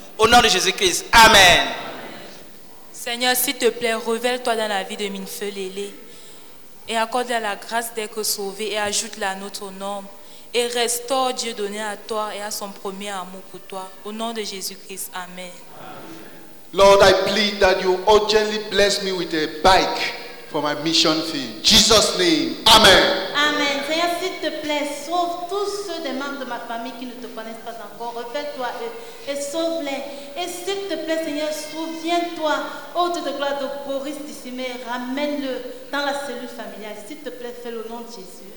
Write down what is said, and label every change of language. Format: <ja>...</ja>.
<fr>Au nom de Jésus-Christ, amen. Seigneur, s'il te plaît, révèle-toi dans la vie de Minfeu Lélé et accorde-la la grâce d'être sauvée et ajoute-la à notre nom. Et restaure Dieu donné à toi et à son premier amour pour toi. Au nom de Jésus-Christ, amen.</fr> <en>Lord, I plead that you urgently bless me with a bike for my mission field. Jesus' name. Amen. Amen.</en> <fr>Seigneur, s'il te plaît, sauve tous ceux des membres de ma famille qui ne te connaissent pas encore. Refais-toi et sauve-les. Et s'il te plaît, Seigneur, souviens-toi, ô Dieu de gloire de Boris Dissimé, ramène-le dans la cellule familiale. S'il te plaît, fais-le au nom de Jésus.</fr>